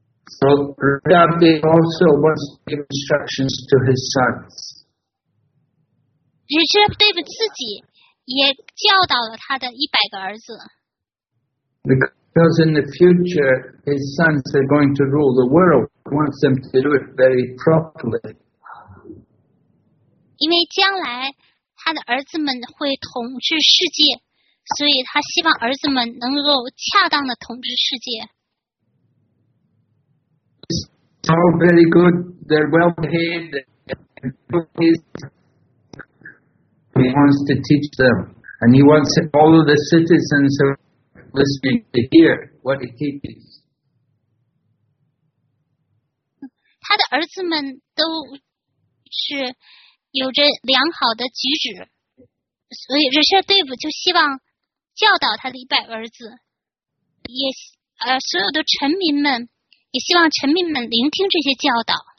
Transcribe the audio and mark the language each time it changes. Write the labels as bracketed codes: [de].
[en] So Rishabhadev also wants to give instructions to his sons. [zh] Rishabhadev 自己也教导了他的100个儿子。 [en] Because in the future, his sons are going to rule the world. He wants them to do it very properly. [zh] 因为将来他的儿子们会统治世界，所以他希望儿子们能够恰当的统治世界。 [en] His all very good. They're well behaved. He wants to teach them. And he wants all of the citizens who are listening to hear what he teaches. [zh] 他的儿子们都是有着良好的举止，所以热舍对付就希望教导他的一百儿子，也所有的臣民们也希望臣民们聆听这些教导。